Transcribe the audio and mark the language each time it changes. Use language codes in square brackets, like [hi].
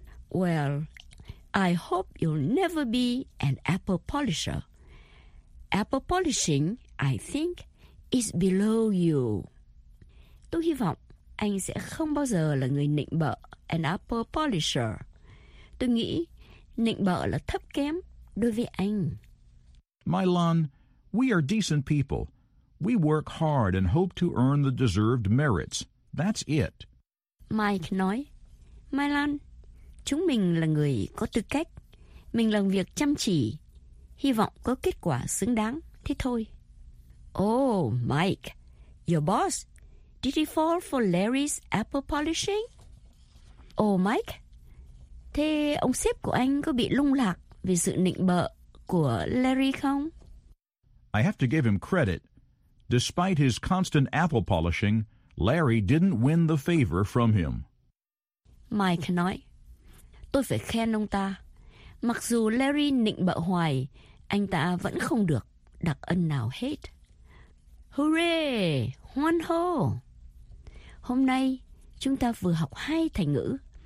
[en] Well, I hope you'll never be an apple polisher. Apple polishing, I think, is below you. [vi] Tôi hy vọng anh sẽ không bao giờ là người nịnh bợ, [en] an apple polisher. [vi] Tôi nghĩ nịnh bợ là thấp kém đối với anh. [en] Milan, we are decent people. We work hard and hope to earn the deserved merits. That's it. [vi] Mike nói, Milan, chúng mình là người có tư cách. Mình làm việc chăm chỉ, hy vọng có kết quả xứng đáng, thế thôi. [en] Oh, Mike, your boss, did he fall for Larry's apple polishing? [vi] Oh, Mike, thế ông sếp của anh có bị lung lạc vì sự nịnh bợ của Larry không? [en] I have to give him credit. Despite his constant apple polishing, Larry didn't win the favor from him. [vi] Mike nói, tôi phải khen ông ta. Mặc dù Larry nịnh bợ hoài, anh ta vẫn không được đặc ân nào hết. Hooray! Hoan hô! Hôm nay, chúng ta vừa học hai thành ngữ.